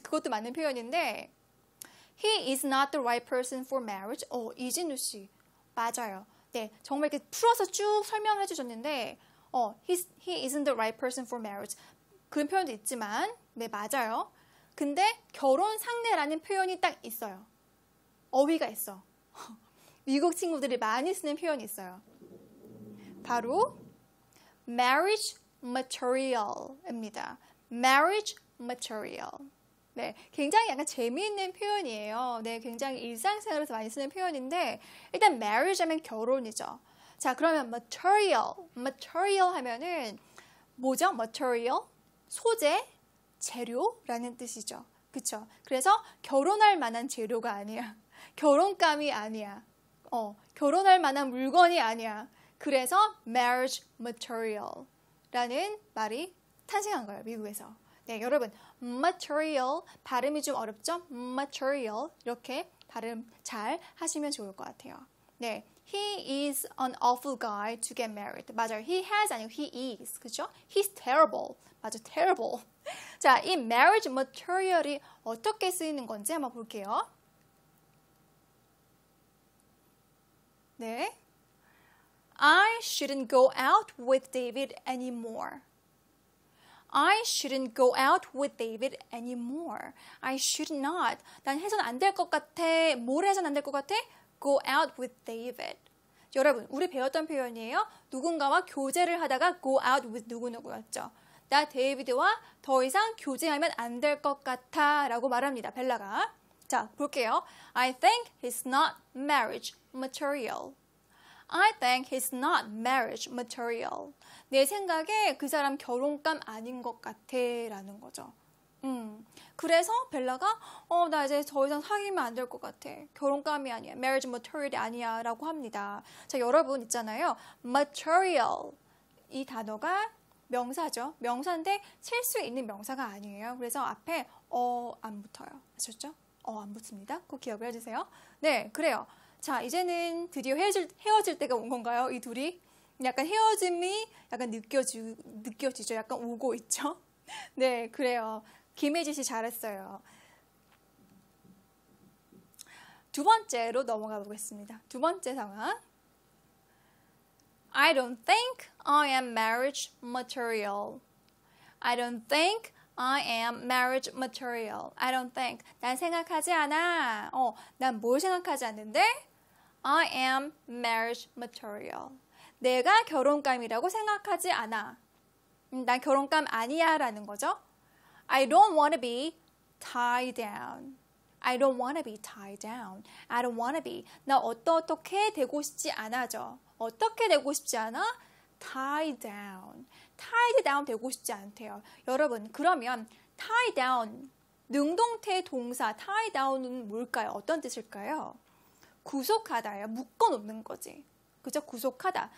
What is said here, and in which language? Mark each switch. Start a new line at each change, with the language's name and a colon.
Korean: 그것도 맞는 표현인데
English: He is not the right person for marriage.
Korean: 이진우 씨. 맞아요. 네, 정말 이렇게 풀어서 쭉 설명해 주셨는데
English: He isn't the right person for marriage.
Korean: 그런 표현도 있지만 네, 맞아요. 근데 결혼 상대라는 표현이 딱 있어요. 어휘가 있어. 미국 친구들이 많이 쓰는 표현이 있어요. 바로 marriage material입니다.
English: Marriage material.
Korean: 네, 굉장히 약간 재미있는 표현이에요. 네, 굉장히 일상생활에서 많이 쓰는 표현인데 일단 marriage 하면 결혼이죠. 자, 그러면 material. Material 하면은 뭐죠? Material? 소재? 재료라는 뜻이죠. 그쵸? 그래서 결혼할 만한 재료가 아니야. 결혼감이 아니야. 결혼할 만한 물건이 아니야. 그래서 marriage material. 라는 말이 탄생한 거예요, 미국에서. 네, 여러분, material, 발음이 좀 어렵죠? material, 이렇게 발음 잘 하시면 좋을 것 같아요.
English: 네, he is an awful guy to get married.
Korean: 맞아요,
English: he has
Korean: 아니고
English: he is, 그죠? He's terrible, 맞아, terrible.
Korean: 자, 이 marriage material이 어떻게 쓰이는 건지 한번 볼게요. 네.
English: I shouldn't go out with David anymore. I shouldn't go out with David anymore. I should not.
Korean: 난 해서는 안 될 것 같아. 뭘 해서는 안 될 것 같아?
English: Go out with David.
Korean: 여러분, 우리 배웠던 표현이에요. 누군가와 교제를 하다가 go out with 누구누구였죠. 나 데이비드와 더 이상 교제하면 안 될 것 같아 라고 말합니다. 벨라가. 자, 볼게요.
English: I think he's not marriage material. I think he's not marriage material.
Korean: 내 생각에 그 사람 결혼감 아닌 것 같아 라는 거죠. 그래서 벨라가 나 이제 더 이상 사귀면 안 될 것 같아. 결혼감이 아니야. marriage material이 아니야 라고 합니다. 자, 여러분 있잖아요. material 이 단어가 명사죠. 명사인데 칠 수 있는 명사가 아니에요. 그래서 앞에 안 붙어요. 아셨죠? 안 붙습니다. 꼭 기억을 해주세요. 네, 그래요. 자, 이제는 드디어 헤어질 때가 온 건가요? 이 둘이 약간 헤어짐이 약간 느껴지죠? 약간 오고 있죠? 네, 그래요. 김혜지 씨 잘했어요. 두 번째로 넘어가 보겠습니다. 두 번째 상황.
English: I don't think I am marriage material. I don't think I am marriage material. I don't think.
Korean: 난 생각하지 않아. 난 뭘 생각하지 않는데?
English: I am marriage material.
Korean: 내가 결혼감이라고 생각하지 않아. 난 결혼감 아니야 라는 거죠.
English: I don't want to be tied down. I don't want to be tied down. I don't want to be.
Korean: 나 어떻게 되고 싶지 않아죠. 어떻게 되고 싶지 않아?
English: Tied down.
Korean: Tied down 되고 싶지 않대요. 여러분, 그러면 tied down, 능동태 동사 tied down은 뭘까요? 어떤 뜻일까요? 구속하다예요. 묶어놓는 거지. 그죠? 구속하다.